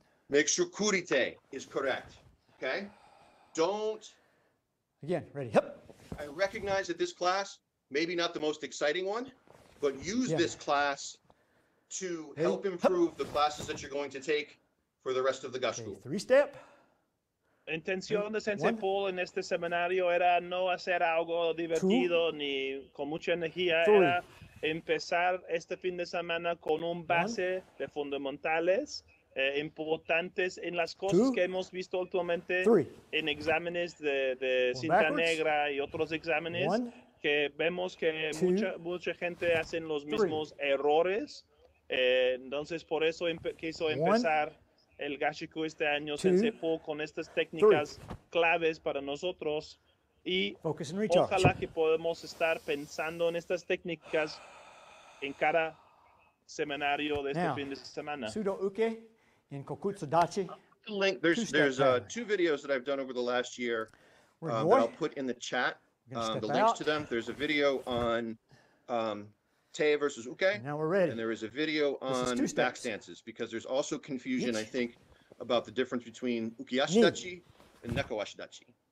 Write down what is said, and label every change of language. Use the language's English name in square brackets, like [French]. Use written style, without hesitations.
[English] Make sure Kurite is correct. Okay? I recognize that this class, maybe not the most exciting one, but use this class to help improve the classes that you're going to take for the rest of the gasshuku. Three step. [Spanish] Intención de Sensei Paul en este seminario era no hacer algo divertido ni con mucha energía, era empezar este fin de semana con un base de fundamentales importantes en las cosas que hemos visto últimamente en exámenes de cinta negra y otros exámenes que vemos que mucha gente hacen los mismos errores. Entonces por eso quiso empezar el gasshuku este año, Sensei Po, con estas técnicas claves para nosotros. Y [English] focus and recharge. [Spanish] Ojalá que podamos estar pensando en estas técnicas en cada seminario de este fin de semana. [Japanese] Sudo uke en kokutsudachi. [English] Two videos that I've done over the last year that I'll put in the chat. The links to them. There's a video on te versus uke. Now we're ready. And there is a video on back stances because there's also confusion, I think, about the difference between ukiyashidachi and nekowashidachi.